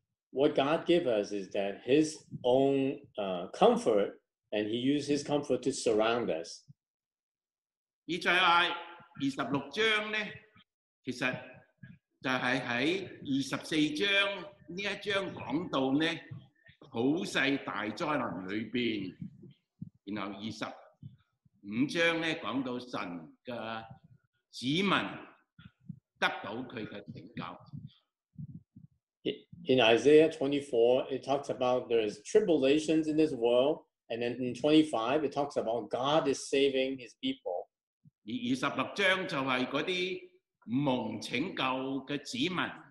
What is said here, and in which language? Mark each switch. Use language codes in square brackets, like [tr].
[en] What God gave us is that His own comfort, and He used His comfort to surround us. [yue] 以賽亞26章咧，其實就係喺24章。呢一章講到咧普世大災難裏邊，然後25章咧講到神嘅子民得到佢嘅拯救。 [en] In Isaiah 24, it talks about there is tribulations in this world, and then in 25, it talks about God is saving His people. [yue] 而26章就係嗰啲蒙拯救嘅子民。